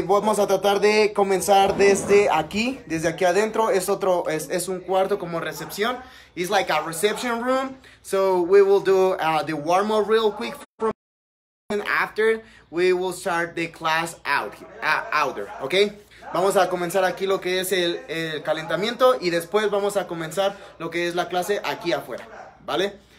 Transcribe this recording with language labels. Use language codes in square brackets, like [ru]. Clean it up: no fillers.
[es] Vamos a tratar de comenzar desde aquí adentro. Es un cuarto como recepción. [en] It's like a reception room. So we will do the warm up real quick, and after we will start the class out there, okay? [es] Vamos a comenzar aquí lo que es el calentamiento y después vamos a comenzar lo que es la clase aquí afuera, ¿vale?